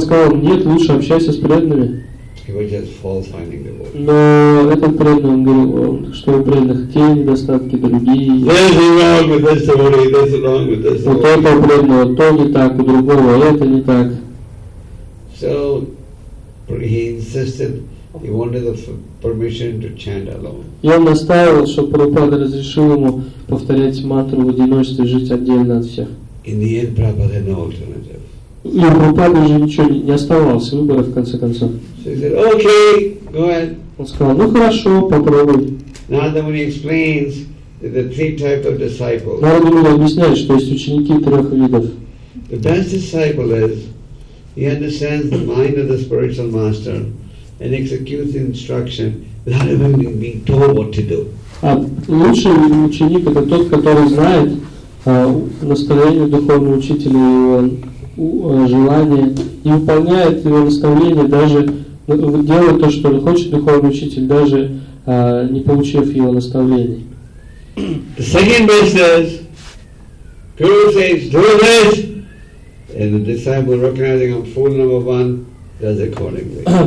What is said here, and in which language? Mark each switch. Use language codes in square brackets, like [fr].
[ru] сказал, нет, лучше общайся с преданными. Но этот преданный, он говорил, что у преданных те недостатки, другие. Вот этого преданного, то не так, у другого это не так. [en] So, he insisted, he wanted the permission to chant alone. [ru] И он настаивал, чтобы Прабхупада разрешил ему повторять мантру в одиночестве, жить отдельно от всех. [en] In the end, Prabhupada had no alternative. [ru] И Прабхупада же ничего не оставалось, выбора в конце концов. [en] So he said, okay, go ahead. [ru] Он сказал, ну хорошо, попробуй. [en] Narada Muni explains that the three types of disciples. [ru] Narada Muni объясняет, что есть ученики трех видов. [en] The best disciple is, he understands the mind of the spiritual master and execute the instruction without even being told what to do. [ru] А лучший ученик это тот, который знает настроение духовного учителя и желание и выполняет его наставление, даже делает то, что хочет духовный учитель, даже не получив его наставление. [en] The second verse says, Guru says, do this, and the disciple recognizing I'm fool number one does accordingly.